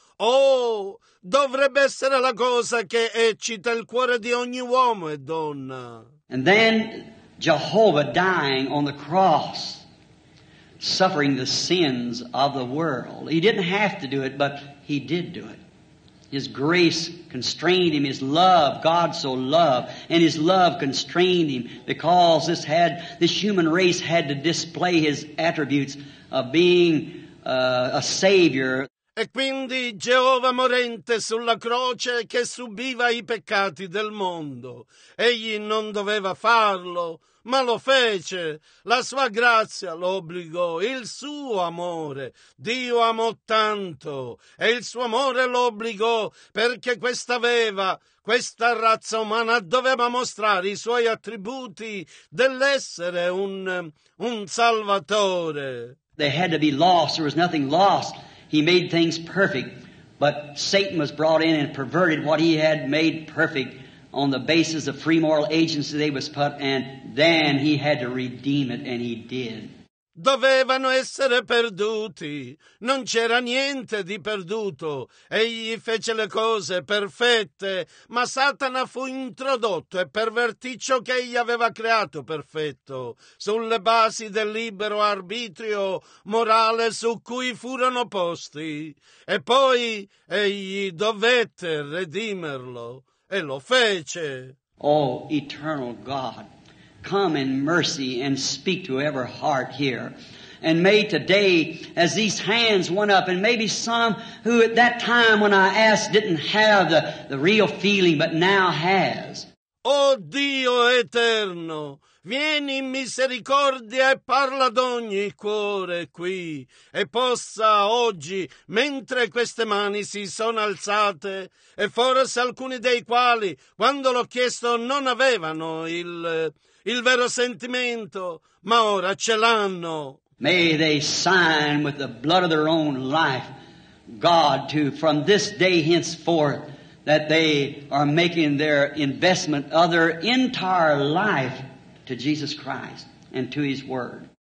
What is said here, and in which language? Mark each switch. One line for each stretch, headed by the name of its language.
Italian: Oh, dovrebbe essere la cosa che eccita il cuore di ogni uomo e donna.
English: And then Jehovah dying on the cross, suffering the sins of the world. He didn't have to do it, but he did do it. His grace constrained him, his love, God so loved, and his love constrained him, because this human race had to display his attributes of being a savior.
Italian: E quindi Geova morente sulla croce che subiva i peccati del mondo. Egli non doveva farlo, ma lo fece. La sua grazia lo obbligò, il suo amore. Dio amò tanto, e il suo amore lo obbligò, perché questa razza umana doveva mostrare i suoi attributi dell'essere un salvatore.
English: They had to be lost, there was nothing lost. He made things perfect, but Satan was brought in and perverted what he had made perfect on the basis of free moral agency they was put, and then he had to redeem it, and he did.
Italian: Dovevano essere perduti. Non c'era niente di perduto. Egli fece le cose perfette, ma Satana fu introdotto e pervertì ciò che egli aveva creato perfetto, sulle basi del libero arbitrio morale su cui furono posti. E poi egli dovette redimerlo, e lo fece.
English: Oh, eternal God, come in mercy and speak to every heart here. And may today, as these hands went up, and maybe some who at that time when I asked didn't have the real feeling, but now has.
Italian: Oh Dio eterno, vieni in misericordia e parla ad ogni cuore qui, e possa oggi, mentre queste mani si sono alzate, e forse alcuni dei quali, quando l'ho chiesto, non avevano il vero sentimento, ma ora ce l'hanno.
English: May they sign with the blood of their own life, God, to from this day henceforth, that they are making their investment of their entire life to Jesus Christ and to His Word.